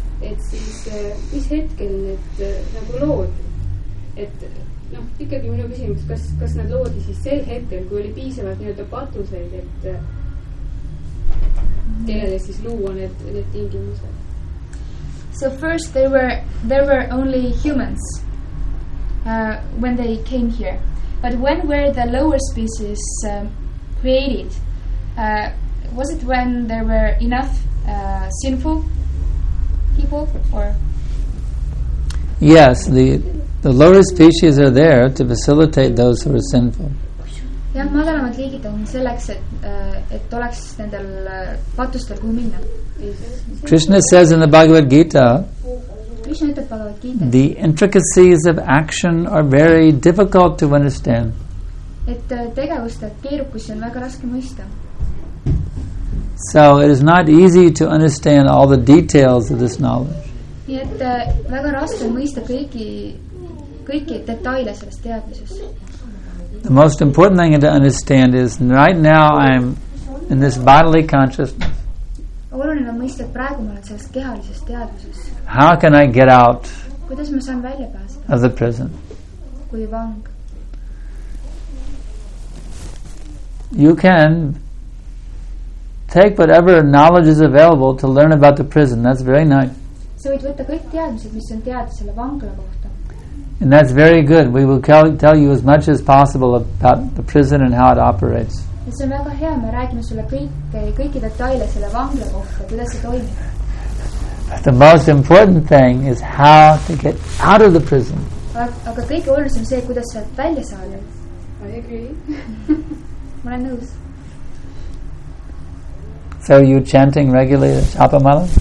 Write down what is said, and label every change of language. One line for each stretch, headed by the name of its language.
Estonian: Et siis, mis hetkel need nagu loodi? Et noh, ikkagi minu küsimus, kas nad loodi siis sel hetkel, kui oli piisavalt nii-öelda patuseid, et kellele siis luua need tingimused?
English: So first there were only humans when they came here. But when were the lower species created? Was it when there were enough sinful people, or? Yes, the lower species are there to facilitate those who are sinful.
Estonian: Ja madalamad liigid on selleks, et oleks nendel patustel kuhu minna.
English: Krishna says in the Bhagavad Gita,
Estonian: Krishna ütleb Bhagavad Gita,
English: the intricacies of action are very difficult to understand.
Estonian: Et tegevuste keerukus on väga raske mõista.
English: So it is not easy to understand all the details of this knowledge.
Estonian: Nii et väga raske mõista kõiki detaile sellest teadmisest.
English: The most important thing to understand is right now I'm in this bodily consciousness.
Estonian: Oluline on mõista, et praegu ma olen sellest kehalisest teadmisest.
English: How can I get out?
Estonian: Kuidas ma saan välja pääseda?
English: Of the prison.
Estonian: Kui vang.
English: You can take whatever knowledge is available to learn about the prison. That's very nice.
Estonian: Sa võid võtta kõik teadmised, mis on teada selle vangla kohta.
English: And that's very good. We will tell you as much as possible about the prison and how it operates.
Estonian: Ja see on väga hea. Me räägime sulle kõiki detaile selle vangla kohta, kuidas see toimib.
English: But the most important thing is how to get out of the prison.
Estonian: Aga kõige olulisem see, kuidas sa välja saad.
English: I agree.
Estonian: Ma olen nõus.
English: So are you chanting regularly the Japa mala?